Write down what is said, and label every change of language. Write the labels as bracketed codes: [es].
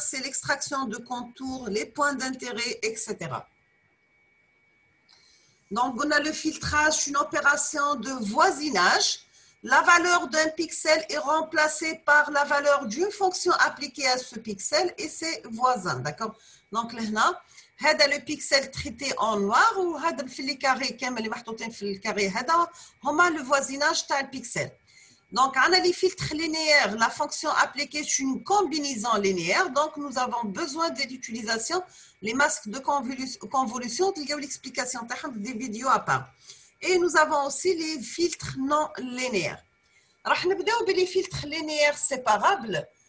[fr] C'est l'extraction de contours, les points d'intérêt, etc. Donc, on a le filtrage, une opération de voisinage. La valeur d'un pixel est remplacée par la valeur d'une fonction appliquée à ce pixel et ses voisins. D'accord? Donc là, [ar] هذا [fr] le pixel traité en noir ou [ar] هذا في لي كاري كامل اللي محطوطين في الكاري هذا هما [fr] le voisinage [ar] تاع pixel. [fr] Donc on a les filtres linéaires, la fonction appliquée est une combinaison linéaire, donc nous avons besoin de l'utilisation les masques de convolution, il y a l'explication [ar] تاعهم [fr] des vidéos à part. Et nous avons aussi les filtres non linéaires. [ar] راح نبداو بلي [fr] filtres linéaires séparables.